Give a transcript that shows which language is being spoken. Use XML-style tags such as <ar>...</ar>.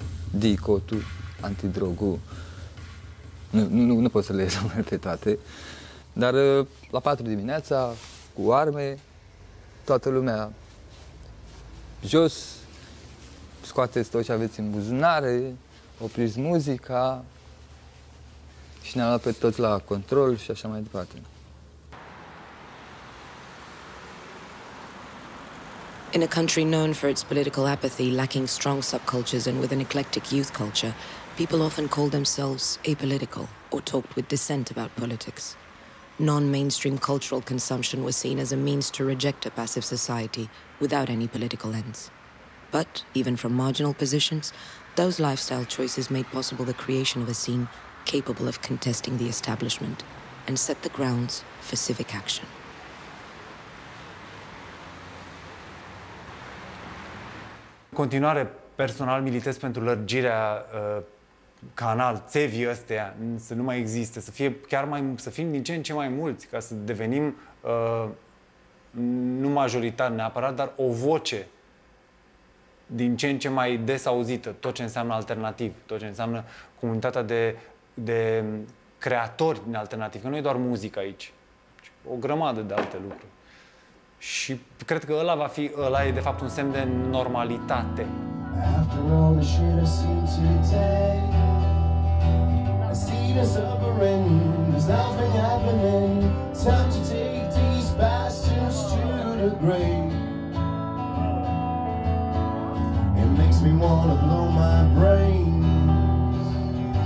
<ro>DICOT-ul, antidrogul, nu pot să le iau pe toate, dar la 4 dimineața, cu arme, toată lumea jos, scoateți tot ce aveți în buzunare, opriți muzica, și ne-am luat pe toți la control și așa mai departe.</ro> <en>In a country known for its political apathy, lacking strong subcultures and with an eclectic youth culture, people often called themselves apolitical or talked with dissent about politics. Non-mainstream cultural consumption was seen as a means to reject a passive society without any political ends. But even from marginal positions, those lifestyle choices made possible the creation of a scene capable of contesting the establishment and set the grounds for civic action.</en> <ro>În continuare, personal militez pentru lărgirea canal, țevii ăstea, să nu mai existe, să fim din ce în ce mai mulți, ca să devenim nu majoritar neapărat, dar o voce din ce în ce mai des auzită, tot ce înseamnă alternativ, tot ce înseamnă comunitatea de creatori din alternativ, că nu e doar muzică aici, ci o grămadă de alte lucruri. Și cred că ăla e de fapt un semn de normalitate.</ro> <en>After all the shit I've seen today, I see the suffering, there's nothing happening. Time to take these bastards to the grave. It makes me wanna blow my brains.</en>